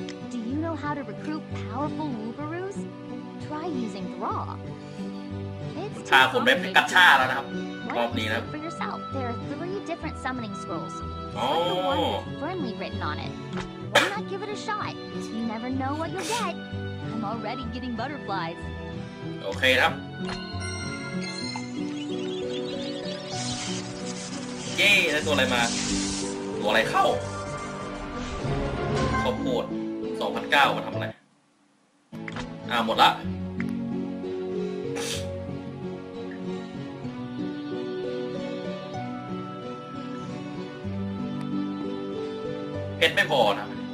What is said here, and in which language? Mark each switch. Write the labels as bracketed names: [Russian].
[English] Do you know how to recruit powerful Wooburus? Try using Draw. [Thai] It's ท่าผมได้เป็นกระชาแล้วนะครับรอบนี้นะ [English] For yourself, there are three different summoning scrolls. Oh. Friendly written on it. Why not give it a shot? You never know what you'll get. I'm already getting butterflies. [Thai] โอเคครับเย้แล้วตัวอะไรมาตัวอะไรเข้าขอโทษ 2,900 มาทำอะไรหมดละเพชรไม่พอนะ